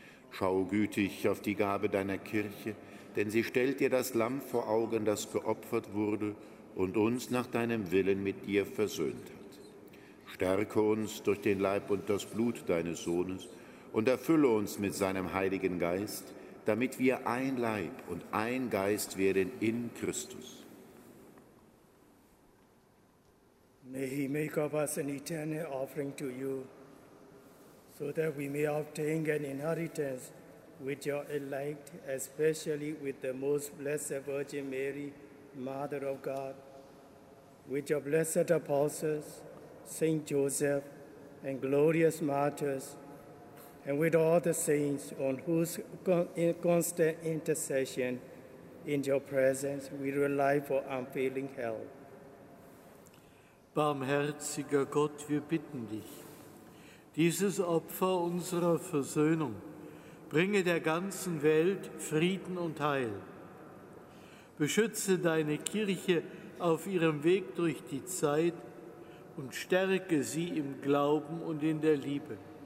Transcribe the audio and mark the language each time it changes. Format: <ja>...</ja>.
<de>Schau gütig auf die Gabe deiner Kirche, denn sie stellt dir das Lamm vor Augen, das geopfert wurde und uns nach deinem Willen mit dir versöhnt hat. Stärke uns durch den Leib und das Blut deines Sohnes und erfülle uns mit seinem Heiligen Geist, damit wir ein Leib und ein Geist werden in Christus.</de> <en>May he make of us an eternal offering to you, so that we may obtain an inheritance with your elect, especially with the most blessed Virgin Mary, Mother of God, with your blessed apostles, Saint Joseph, and glorious martyrs, and with all the saints on whose constant intercession in your presence we rely for unfailing help.</en> <de>Barmherziger Gott, wir bitten dich, dieses Opfer unserer Versöhnung bringe der ganzen Welt Frieden und Heil. Beschütze deine Kirche auf ihrem Weg durch die Zeit und stärke sie im Glauben und in der Liebe.</de>